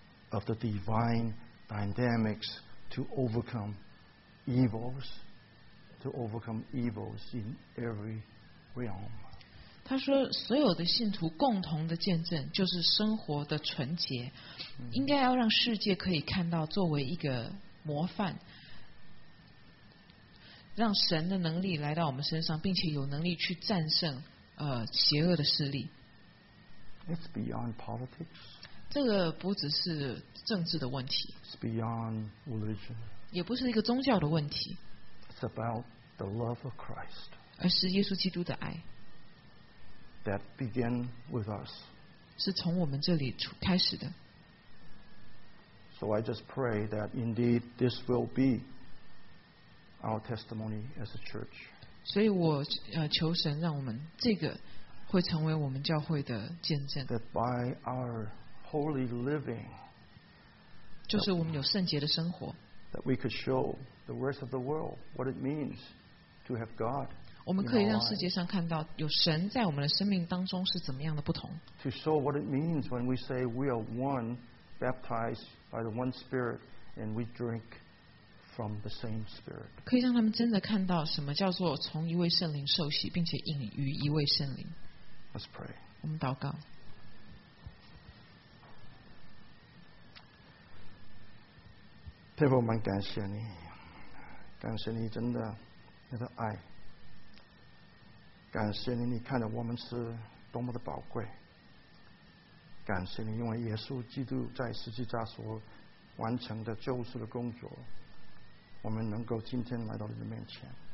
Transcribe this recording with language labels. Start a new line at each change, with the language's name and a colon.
English: Of the divine dynamics to overcome evils in every realm.
Chinese: 他说，所有的信徒共同的见证就是生活的纯洁，应该要让世界可以看到，作为一个模范，让神的能力来到我们身上，并且有能力去战胜邪恶的势力。
English: It's beyond politics.
Chinese: 这个不只是政治的问题，
English: It's beyond religion.
Chinese: 也不是一个宗教的问题，
English: It's about the love of Christ.
Chinese: 而是耶稣基督的爱，
English: That began with us.
Chinese: 是从我们这里开始的。
English: So I just pray that indeed this will be our testimony as a church.
Chinese: 所以我求神让我们这个会成为我们教会的见证。
English: That by our Holy living,
Chinese: 就是我们有圣洁的生活。
English: That we could show the rest of the world what it means to have God.
Chinese: 我们可以让世界上看到有神在我们的生命当中是怎么样的不同。
English: To show what it means when we say we are one, baptized by the one Spirit, and we drink from the same Spirit.
Chinese: 可以让他们真的看到什么叫做从一位圣灵受洗，并且饮于一位圣灵。
English: Let's pray.
Chinese: 我们祷告。天父，我们感谢你，感谢你真的你的爱，感谢你，你看着我们是多么的宝贵，感谢你，因为耶稣基督在十字架所完成的救赎的工作，我们能够今天来到你的面前。